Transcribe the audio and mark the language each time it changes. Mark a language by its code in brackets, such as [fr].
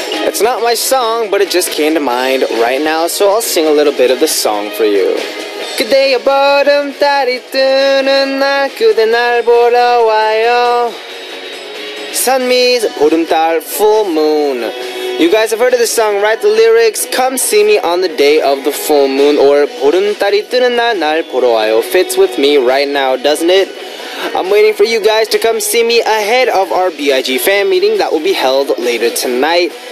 [en] It's not my song, but it just came to mind right now, so I'll sing a little bit of the song for you. [ko] 그대의 보름달이 뜨는 날 그대 날 보러 와요. [en] Sun means 보름달, full moon. You guys have heard of this song, right? The lyrics, come see me on the day of the full moon, or [ko] 보름달이 뜨는 날 날 보러 와요, [en] fits with me right now, doesn't it? I'm waiting for you guys to come see me ahead of our BIG fan meeting that will be held later tonight.